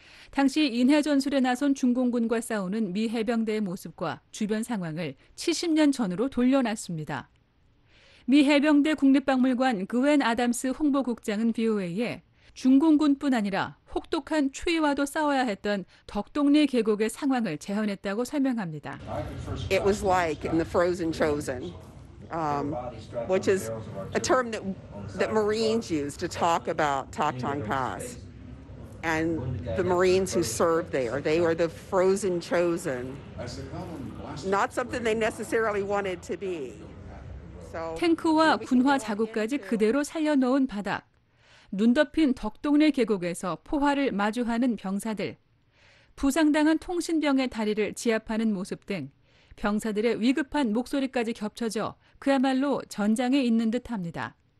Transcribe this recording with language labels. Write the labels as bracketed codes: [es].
[ko] 당시 인해전술에 나선 중공군과 싸우는 미 해병대의 모습과 주변 상황을 70년 전으로 돌려놨습니다. 미 해병대 국립박물관 그웬 아담스 홍보국장은 VOA에 중공군뿐 아니라 혹독한 추위와도 싸워야 했던 덕동리 계곡의 상황을 재현했다고 설명합니다. [en] It was like in the frozen chosen. Which is a term that Marines use to talk about Taktong Pass. And the Marines who served there, they were the frozen chosen. Not something they necessarily wanted to be. [ko] So, 탱크와 군화 자국까지 그대로 살려놓은 바닥. 눈 덮인 덕동리 계곡에서 포화를 마주하는 병사들. 부상당한 통신병의 다리를 지압하는 모습 등 병사들의 위급한 목소리까지 겹쳐져 그야말로 전장에 있는 듯합니다.